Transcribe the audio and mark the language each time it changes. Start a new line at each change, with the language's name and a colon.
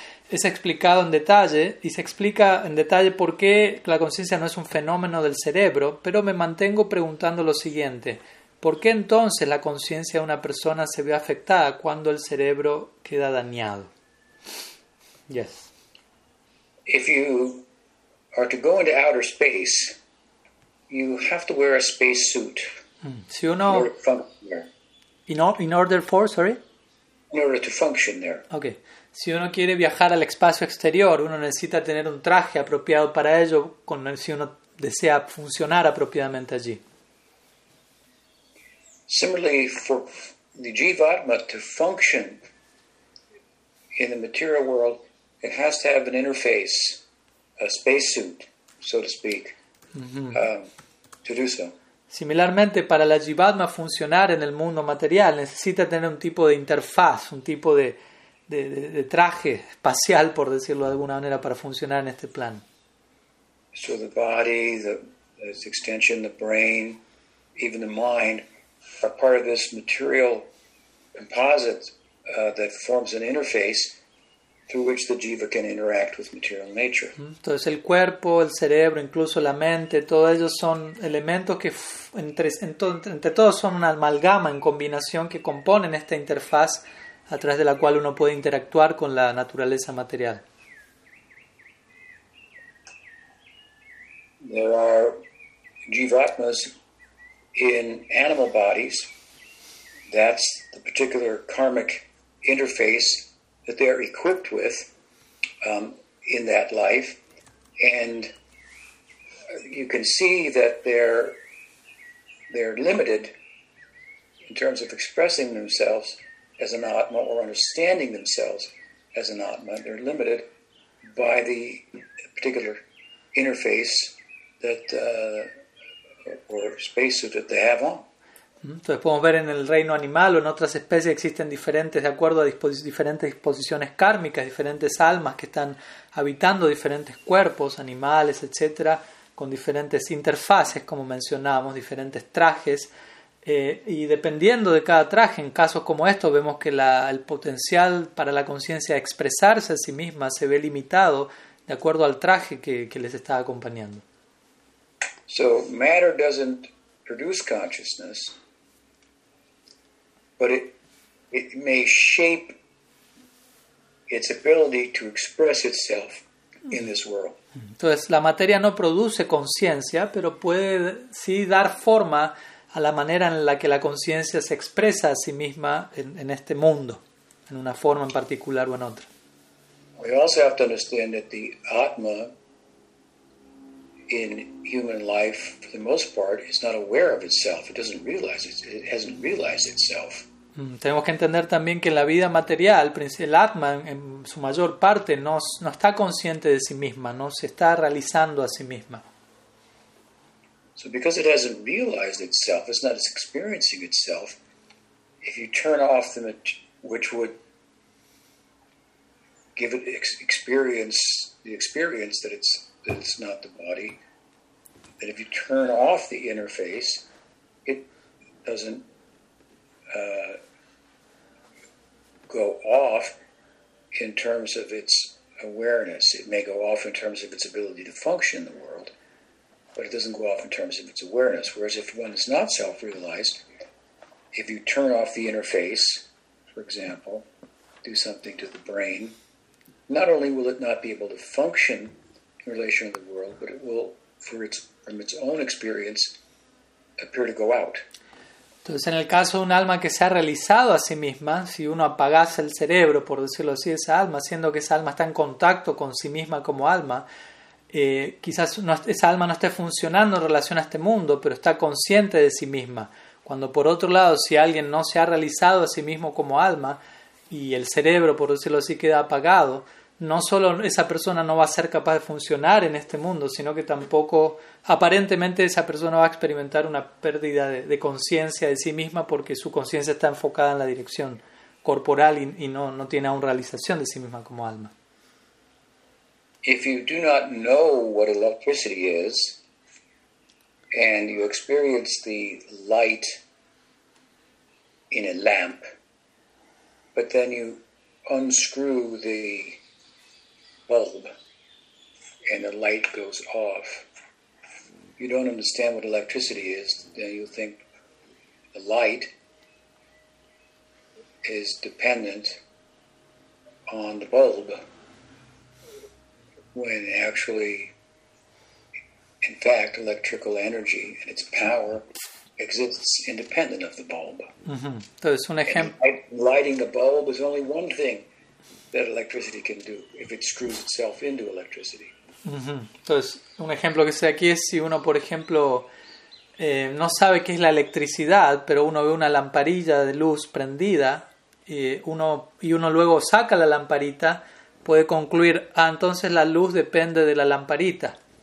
Spanish: Es explicado en detalle, y se explica en detalle por qué la conciencia no es un fenómeno del cerebro, pero me mantengo preguntando lo siguiente. ¿Por qué entonces la conciencia de una persona se ve afectada cuando el cerebro queda dañado?
English: Yes. If you are to go into outer space, you have to wear a space suit. So you know, in order to function there. Okay.
Spanish: Si uno quiere viajar al espacio exterior, uno necesita tener un traje apropiado para ello, si uno desea funcionar apropiadamente allí.
English: Similarly, for the jivatma to function in the material world, it has to have an interface, a space suit, so to speak. To do so.
Spanish: Similarmente, para la jivatma funcionar en el mundo material, necesita tener un tipo de interfaz, un tipo de traje espacial, por decirlo de alguna manera, para funcionar en este plan.
English: So the body, its extension, the brain, even the mind, are part of this material composite that forms an interface through which the jiva can interact with material nature.
Spanish: Entonces el cuerpo, el cerebro, incluso la mente, todos ellos son elementos que entre todos son una amalgama en combinación que componen esta interfaz a través de la cual uno puede interactuar con la naturaleza material.
English: There are jivatmas in animal bodies. That's the particular karmic interface that they are equipped with in that life. And you can see that they're limited in terms of expressing themselves as an atma or understanding themselves as an atma. They're limited by the particular interface that or space that they have on.
Spanish: Entonces podemos ver en el reino animal o en otras especies existen diferentes, de acuerdo a diferentes disposiciones kármicas, diferentes almas que están habitando diferentes cuerpos, animales, etcétera, con diferentes interfaces, como mencionábamos, diferentes trajes. Y dependiendo de cada traje, en casos como estos, vemos que el potencial para la conciencia de expresarse a sí misma se ve limitado de acuerdo al traje que les está acompañando.
English: So, matter doesn't produce consciousness, but it may shape its ability to express itself in this world.
Spanish: Entonces, la materia no produce conciencia, pero puede sí dar forma a la manera en la que la conciencia se expresa a sí misma en este mundo, en una forma en particular o en otra.
English: We also have to understand that the Atma in human life, for the most part, is not aware of itself. It doesn't realize it hasn't realized itself.
Spanish: Tenemos que entender también que en la vida material, el Atma, en su mayor parte, no está consciente de sí misma, no se está realizando a sí misma.
English: So because it hasn't realized itself, it's not experiencing itself, if you turn off the which would give it the experience that it's not the body, that if you turn off the interface, it doesn't go off in terms of its awareness. It may go off in terms of its ability to function in the world, but it doesn't go off in terms of its awareness. Whereas if one is not self-realized, if you turn off the interface, for example, do something to the brain, not only will it not be able to function in relation to the world, but it will, from its own experience, appear to go out.
Spanish: Entonces, en el caso de un alma que se ha realizado a sí misma, si uno apagase el cerebro, por decirlo así, esa alma, siendo que esa alma está en contacto con sí misma como alma, quizás no, esa alma no esté funcionando en relación a este mundo, pero está consciente de sí misma. Cuando por otro lado, si alguien no se ha realizado a sí mismo como alma y el cerebro, por decirlo así, queda apagado, no solo esa persona no va a ser capaz de funcionar en este mundo, sino que tampoco, aparentemente, esa persona va a experimentar una pérdida de conciencia de sí misma porque su conciencia está enfocada en la dirección corporal y no tiene aún realización de sí misma como alma.
English: If you do not know what electricity is, and you experience the light in a lamp, but then you unscrew the bulb and the light goes off, you don't understand what electricity is, then you think the light is dependent on the bulb, when actually, in fact, electrical energy and its power exists independent of the bulb.
Spanish: Mm-hmm. Entonces, un ejemplo.
English: Lighting the bulb is only one thing that electricity can do if it screws itself into electricity. Mm-hmm.
Spanish: Entonces, un ejemplo que se da aquí es si uno, por ejemplo, no sabe qué es la electricidad, pero uno ve una lamparilla de luz prendida y uno luego saca la lamparita, puede concluir, entonces la luz depende de la lamparita.